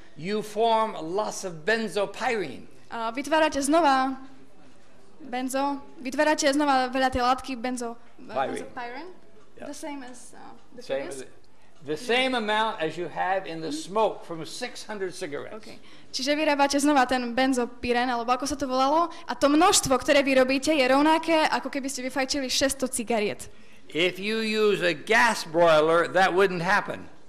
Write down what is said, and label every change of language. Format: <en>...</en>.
<en>You form lots of benzopyrene.</en> <sk>A vytvárate znova benzo, vytvárate znova veľa tej látky benzopyrene.</sk> <en>Yep. The same as The same amount as you have in the smoke from 600 cigarettes. Okay.</en> <sk>Čiže vyrábate znova ten benzopyren, alebo ako sa to volalo, a to množstvo, ktoré vyrobíte, je rovnaké, ako keby ste vyfajčili 600 cigariet.</sk> <en>If you use a gas broiler, that wouldn't happen.</en>